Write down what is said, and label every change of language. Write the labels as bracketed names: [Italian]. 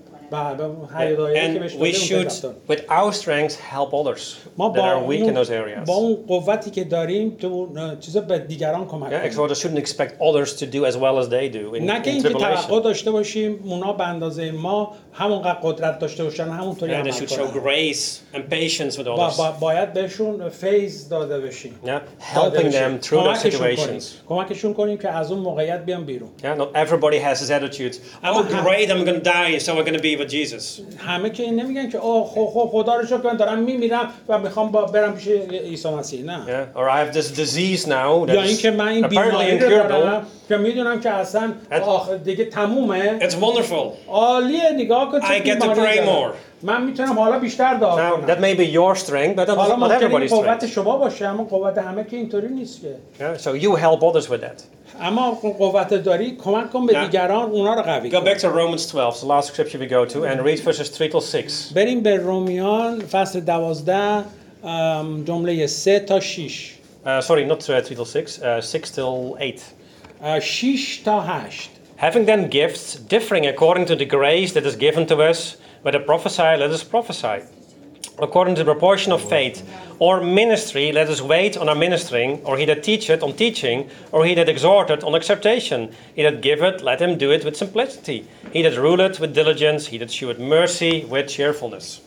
[English] And we should, with our strengths, help others that are weak in those areas. [Persian] با اون قوتی که داریم تو چیزا به دیگران کمک کنیم. [English] Yeah, exhorters shouldn't expect others to do as well as they do in tribulation. [Persian] نه که اینکه توقع داشته باشیم اونا به اندازه ما همونقدر قدرت داشته باشن همونطوری عمل کنن. [English] And they should show grace and patience with others. [Persian] باید بهشون فیض داده بشیم. [English] Yeah, helping them through those situations. [Persian] کمکشون کنیم که از اون موقعیت بیان بیرون. [English] Yeah, not everybody has his attitudes. Oh, great, I'm going to die, so we're going to be with Jesus. [Persian] همه که نمیگن که خدا رو شکر من دارم میمیرم و میخوام برم پیش عیسی مسیح. نه. [English] Yeah. Or I have this disease now. [Persian] یا اینکه من این بیماری رو دارم که میدونم که اصلا دیگه تمومه. [English] It's wonderful. [Persian] عالیه، نگاه کن. [English] I get to pray more. [Persian] من میتونم حالا بیشتر دعا کنم. [English] Now that may be your strength, but that's not everybody's strength. [Persian] قوت شما باشه، اما قوت همه که اینطوری نیست که. [English] Yeah. So you help others with that. [Persian] اما قوت داری کمک کن به دیگران اونا رو قوی کن. [English] Go back to Romans 12, the last scripture we go to, and read verses 3 to 6. [Persian] بریم به رومیان فصل 12 جمله 3 تا 6. [English] Sorry, not 3 to 6, 6 till 8. [Persian] 6 تا 8. [English] Having then gifts differing according to the grace that is given to us, whether prophesy, let us prophesy. According to the proportion of faith, or ministry, let us wait on our ministering, or he that teacheth on teaching, or he that exhorteth on exhortation, he that giveth, let him do it with simplicity, he that ruleth with diligence, he that sheweth mercy with cheerfulness.